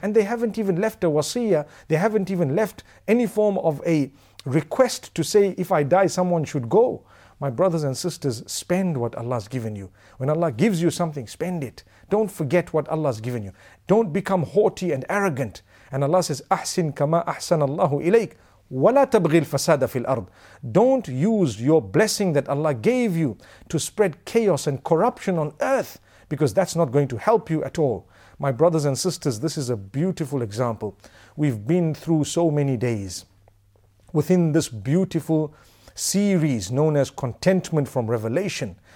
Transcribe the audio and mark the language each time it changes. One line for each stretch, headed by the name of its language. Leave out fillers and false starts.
English: And they haven't even left a wasiyah. They haven't even left any form of a request to say, if I die, someone should go. My brothers and sisters, spend what Allah's given you. When Allah gives you something, spend it. Don't forget what Allah's given you. Don't become haughty and arrogant. And Allah says,
Arabic: أحسن كما أحسن الله إليك. وَلَا تَبْغِي الْفَسَادَ فِي الْأَرْضِ.
English: Don't use your blessing that Allah gave you to spread chaos and corruption on earth, because that's not going to help you at all. My brothers and sisters, this is a beautiful example. We've been through so many days within this beautiful series known as Contentment from Revelation.